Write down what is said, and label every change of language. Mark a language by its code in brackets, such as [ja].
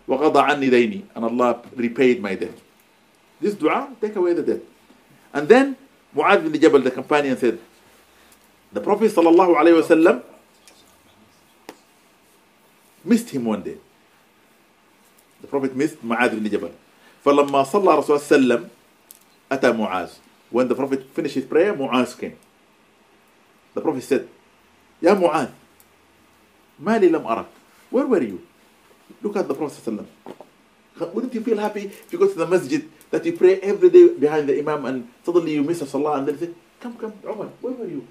[ar] وقضى عني ديني, [en] and Allah repaid my debt. This dua, take away the debt. And then Mu'adh bin Jabal, the companion, said, the Prophet sallallahu alayhi wasallam missed him one day. The Prophet missed Mu'adh bin Jabal. [ar] فلما صلى رسول الله صلى الله عليه وسلم أتى معاذ. [en] When the Prophet finished his prayer, Mu'adh came. The Prophet said, Ya Mu'adh, [ar] Mali lam arak. [en] Where were you? Look at the Prophet. Wouldn't you feel happy if you go to the masjid that you pray every day behind the imam and suddenly you miss a salah and then say, come, Umar, where were you?